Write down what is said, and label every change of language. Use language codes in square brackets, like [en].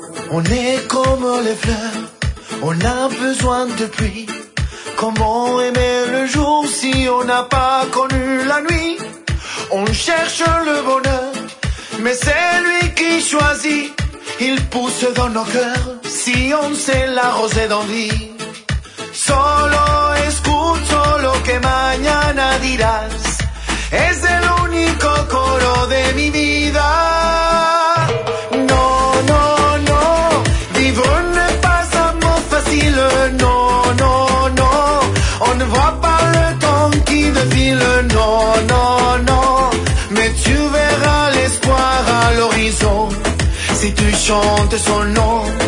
[fr] On est comme les fleurs, on a besoin de pluie. Comment aimer le jour si on n'a pas connu la nuit? On cherche le bonheur, mais c'est lui qui choisit. Il pousse dans nos cœurs si on sait l'arroser d'envie. [es] Solo escucho lo que mañana dirás. Es el único coro de mi vida. No, no, no. [fr] Vivre n'est pas un mot facile. [es] No, no, no. [fr] On ne voit pas le temps qui défile. [es] No, no, no. [fr] Mais tu verras l'espoir à l'horizon si tu chantes son nom.